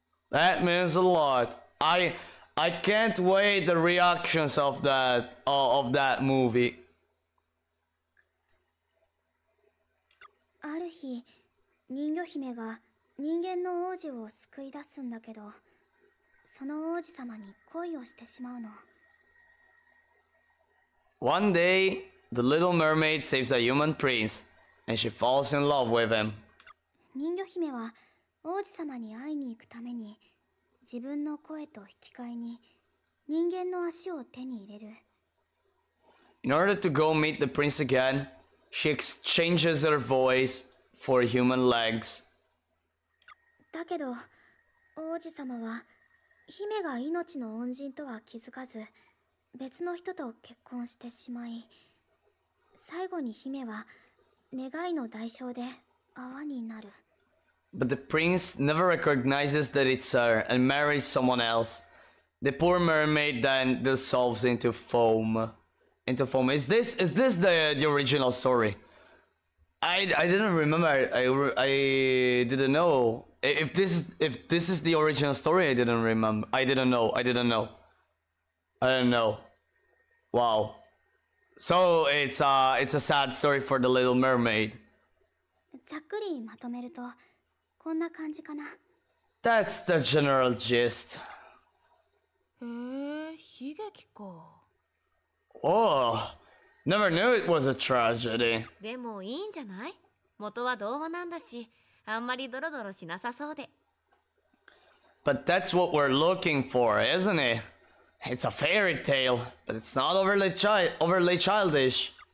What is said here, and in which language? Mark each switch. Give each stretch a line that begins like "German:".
English: That means a lot. I can't wait the reactions of that movie.
Japanese: ある日、人魚姫が人間の王子を救い出すんだけど、その王子様に恋をしてしまうの。
English: One day, the little mermaid saves a human prince, and she falls in love with him.
Japanese: 人魚姫は王子様に会いに行くために、自分の声と引き換えに人間の足を手に入れる。
English: In order to go meet the prince again,She exchanges her voice for human legs.
Japanese: だけど、王子様は、姫が命の恩人とは気づかず、別の人と結婚してしまい、最後に姫は、願いの代償で泡になる。
English: But the prince never recognizes that it's her and marries someone else. The poor mermaid then dissolves into foam. Is this the original story? I didn't remember. I didn't know if this is the original story. I didn't know. Wow. So it's a sad story for the Little Mermaid.
Japanese: ざっくりまとめるとこんな感じかな。
English: That's the general gist.
Japanese: へえ、悲劇か。
English: Oh, never knew it was a tragedy.
Japanese: でもいいんじゃない? 元は童話なんだし、あんまりドロドロしなさそうで。
English: But that's what we're looking for, isn't it? It's a fairy tale, but it's not overly childish.